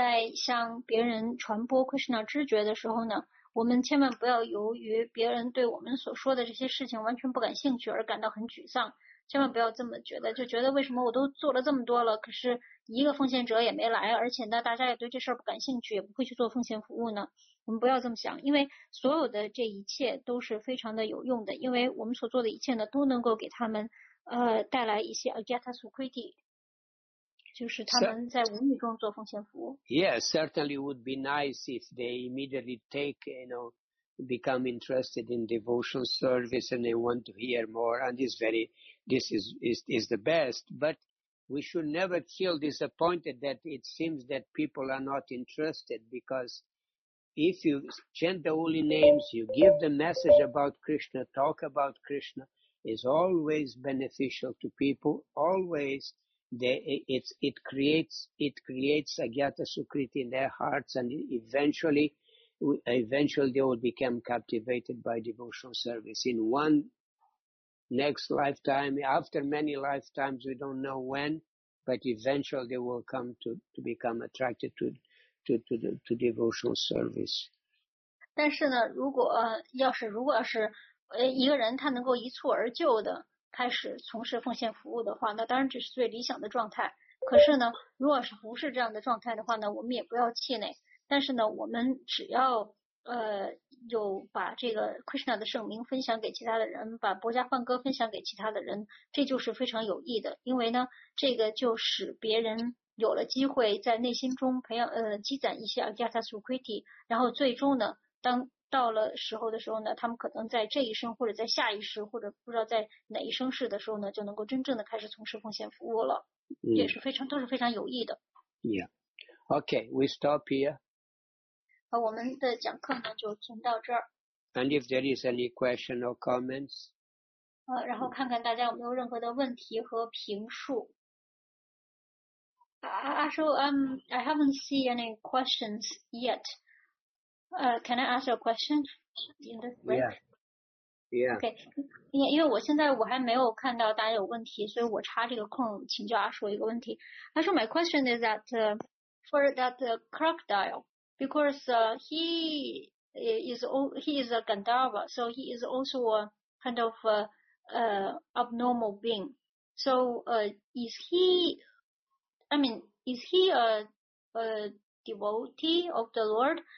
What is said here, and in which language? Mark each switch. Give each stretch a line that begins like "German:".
Chinese: 所以说呢，当我们在向别人传播 Krishna 知觉的时候呢，我们千万不要由于别人对我们所说的这些事情完全不感兴趣而感到很沮丧，千万不要这么觉得，就觉得为什么我都做了这么多了，可是 一个奉献者也没来，而且呢，大家也对这事儿不感兴趣，也不会去做奉献服务呢。我们不要这么想，因为所有的这一切都是非常的有用的，因为我们所做的一切呢，都能够给他们带来一些 Agyata Sukriti， 就是他们在无意中做奉献服务。Yes,
English: certainly would be nice if they immediately take, you know, become interested in devotional service and they want to hear more. And this is the best, but we should never feel disappointed that it seems that people are not interested, because if you chant the holy names, you give the message about Krishna, talk about Krishna, is always beneficial to people. Always, it creates Agyata Sukriti in their hearts, and eventually they will become captivated by devotional service. In one next lifetime, after many lifetimes, we don't know when, but eventually they will come to become attracted to devotional service.
Chinese: 但是呢，如果要是一个人他能够一蹴而就的开始从事奉献服务的话，那当然这是最理想的状态。可是呢，如果是不是这样的状态的话呢，我们也不要气馁。但是呢，我们只要有把这个 Krishna 的圣名分享给其他的人，把薄伽梵歌分享给其他的人，这就是非常有益的。因为呢，这个就使别人有了机会在内心中培养积攒一些 Agyata Sukriti， 然后最终呢，当到了时候的时候呢，他们可能在这一生或者在下一世或者不知道在哪一生世的时候呢，就能够真正的开始从事奉献服务了，也是非常都是非常有益的。
English: Yeah. Okay, we stop here.
Chinese: 好，我们的讲课呢就存到这儿。
English: And if there is any question or comments.
Chinese: 然后看看大家有没有任何的问题和评述。
English: I haven't seen any questions yet. Can I ask a question in the break? Yeah. Okay.
Chinese: 因为我现在我还没有看到大家有问题，所以我插这个空请教阿叔一个问题。
English: 阿叔 my question is that for that crocodile, because he is a Gandharva, so he is also a kind of abnormal being. So is he a devotee of the Lord?